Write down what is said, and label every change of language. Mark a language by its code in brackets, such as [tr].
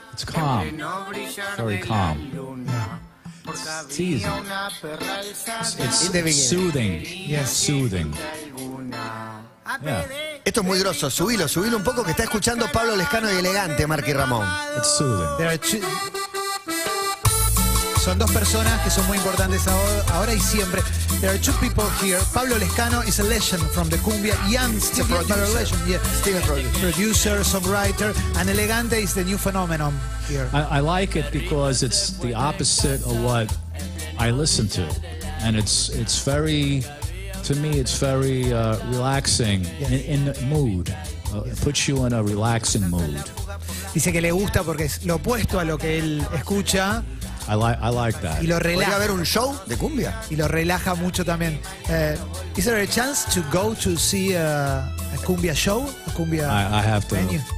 [en] It's calm. Very calm. It's soothing. Yes, soothing. [es] Yeah. Esto es muy grosso. Subilo, subilo un poco, que está escuchando Pablo Lescano y Elegante, Mark y Ramón. [en] It's soothing. There are two... [es] Son dos personas que son muy importantes ahora y siempre. [en] There are two people here. Pablo Lescano is a legend from the cumbia. Ian producer, songwriter, and Elegante is the new phenomenon here. I like it because it's the opposite of what I listen to, and it's very, to me, it's very relaxing in the mood. It puts you in a relaxing mood. [es] Dice que le gusta porque es lo opuesto a lo que él escucha. [en] I like that. [es] Y lo relaja. ¿Podría ver un show de cumbia? Y lo relaja mucho también. [en] Is there a chance to go to see a cumbia show? A cumbia I have to venue?